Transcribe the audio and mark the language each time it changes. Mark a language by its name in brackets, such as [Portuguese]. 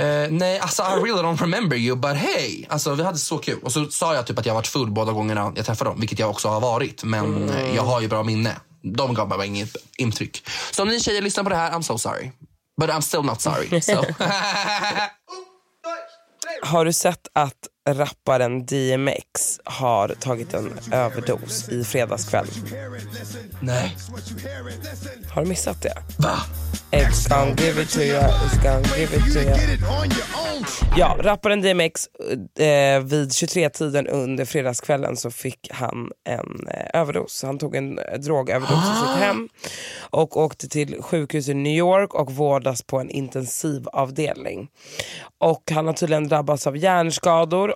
[Swedish] Nej, alltså [English] I really don't remember you, but hey. [Swedish] Alltså vi hade så kul. Och så sa jag typ att jag varit full båda gångerna jag träffade dem, vilket jag också har varit. Men jag har ju bra minne. De gav mig bara inget intryck. Så om ni tjejer lyssnar på det här, [English] I'm so sorry, but I'm still not sorry. So. [Swedish] Har du sett att rapparen DMX har tagit en överdos i fredagskväll? Nej. Har du missat det? Va? [English] X gon' give it to ya, X gon' give it to ya. [Swedish] Ja, rapparen DMX, vid 23-tiden under fredagskvällen så fick han en överdos. Han tog en drogöverdos i sitt hem och åkte till sjukhus i New York och vårdas på en intensivavdelning. Och han har tydligen drabbats av hjärnskador.